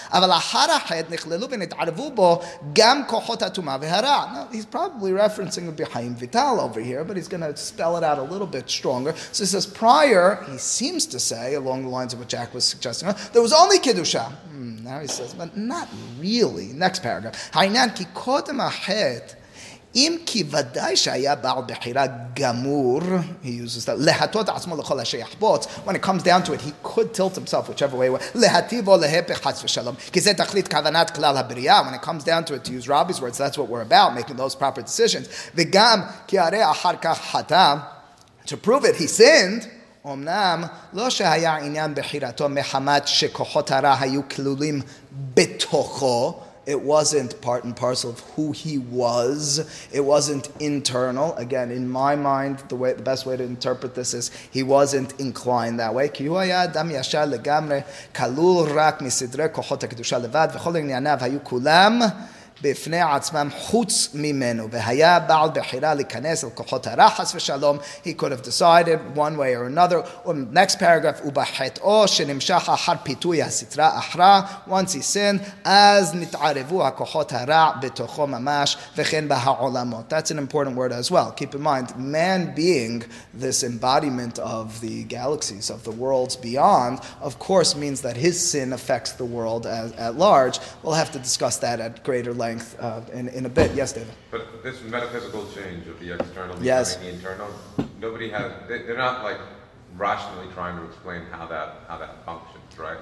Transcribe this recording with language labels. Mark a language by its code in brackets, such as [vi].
[he] אבל אחר החטא נכללו ונתערבו בו גם כוחות הטומאה והרע. [en] Now, he's probably referencing Rabbi Chaim Vital over here, but he's going to spell it out a little bit stronger. So he says, prior, he seems to say, along the lines of what Jack was suggesting, there was only Kiddusha. Now he says, but not really. Next paragraph. [he] הענן כי קודם החטא, אם כי ודאי שהיה בעל בחירה גמור, he uses that, להטות עצמו לכל אשר יחפוץ, when it comes down to it, he could tilt himself whichever way, להטיב או להפך חס ושלום, כי זה תכלית כוונת כלל הבריאה, when it comes down to it, to use Robbie's words, that's what we're about, making those proper decisions, וגם כי הרי אחר כך חטא, to prove it, he sinned, אמנם לא שהיה עניין בחירתו מחמת שכוחות הרע היו כלולים בתוכו, [en] It wasn't part and parcel of who he was. It wasn't internal. Again, in my mind, the best way to interpret this is he wasn't inclined that way. [he] Ki hu haya adam yashar legamre kalul rak misidre kohot hakedusha levad v'chol inyanav hayu kulam בפני עצמם חוץ ממנו והיה בעל בחירה להיכנס אל כוחות הרחס ושלום. [en] He could have decided one way or another. [he] Next paragraph, ובחטאו שנמשך אחר פיתוי הסתרה אחרה, once he sinned, אז נתערבו הכוחות הרע בתוכו ממש וכן בהעולמות. [en] That's an important word as well. Keep in mind, man being this embodiment of the galaxies, of the worlds beyond, of course means that his sin affects the world at large. We'll have to discuss that at greater length in a bit. Yes, David. But this metaphysical change of the external becoming the internal, nobody has, they're not like rationally trying to explain how that functions, right?